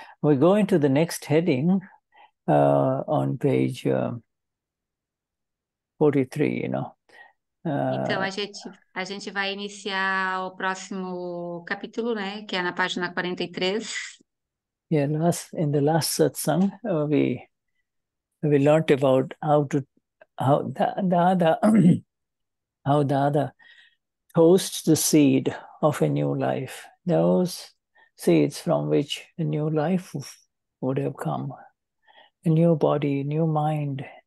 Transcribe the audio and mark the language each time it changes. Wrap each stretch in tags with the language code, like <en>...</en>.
<en>We're going to the next heading on page 43,</en> <pt>Então, a gente vai iniciar o próximo capítulo, né, que é na página 43.</pt> <en>Yeah, in the last satsang, we learned about how Dada toasts the seed of a new life, those seeds from which a new life would have come, a new body, new mind.</en>